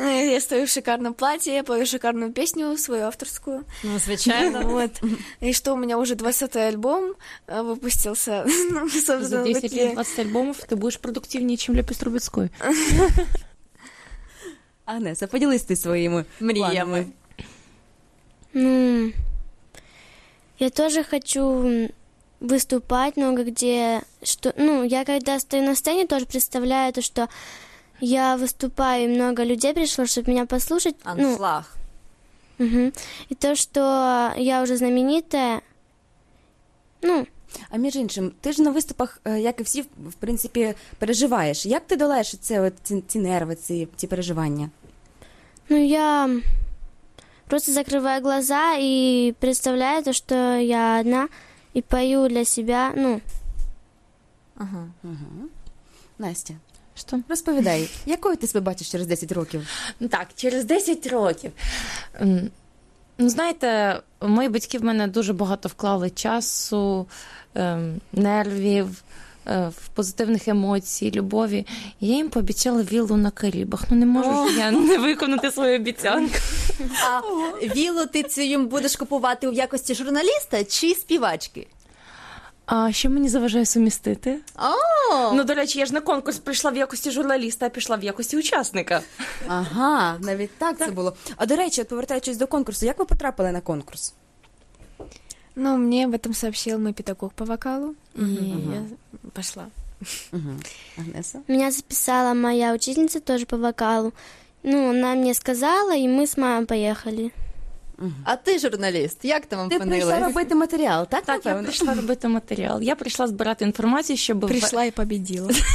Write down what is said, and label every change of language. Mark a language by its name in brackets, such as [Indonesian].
[Ukrainian] Я стою в шикарному платі, я пою шикарну пісню свою авторську. Ну, звичайно. [Russian] Вот. [Ukrainian] І що, у мене вже 20-й альбом випустився. За 10-20 альбомів ти будеш продуктивніше, ніж Ляпіс Трубецької. Агнеса, поділись ти своїми мріями. Ну, я теж хочу виступати [Russian] много где. Что, ну, я когда стою на сцене, тоже представляю то, что я выступаю, и много людей пришло, чтобы меня послушать. Аншлаг. Ну, угу. И то, что я уже знаменитая. Ну. [Ukrainian] А між іншим, ти ж на виступах, як і всі, в принципі, переживаєш. Як ти долаєш це, от, ці нерви, ці переживання? [Russian] Ну, я просто закрываю глаза и представляю то, что я одна и пою для себя, ну. [Ukrainian] Ага. Настя. [Russian] Что? [Ukrainian] Розповідай, якою ти себе бачиш через 10 років? Ну, так, через 10 років. Ну, знаєте, мої батьки в мене дуже багато вклали часу, нервів, в позитивних емоцій, любові. Я їм пообіцяла віллу на Карибах. Ну, не можу ж я не виконати свою обіцянку. А віллу ти цю їм будеш купувати в якості журналіста чи співачки? А що мені заважає сумістити? О-о-о. Ну, до речі, я ж на конкурс прийшла в якості журналіста, а пішла в якості учасника. Ага, навіть так, так це було. А до речі, повертаючись до конкурсу, як ви потрапили на конкурс? [Russian] Ну, мені об этом сообщил мой педагог по вокалу, [Ukrainian] і я пішла. Агнеса? Мене записала моя учительниця теж по вокалу. Ну, вона мені сказала, і ми з мамою поїхали. А ти журналіст, як там вам ти опинилась? Ти прийшла робити матеріал, так? Так, я прийшла робити матеріал. Я прийшла збирати інформацію, щоб... Прийшла і побіділа.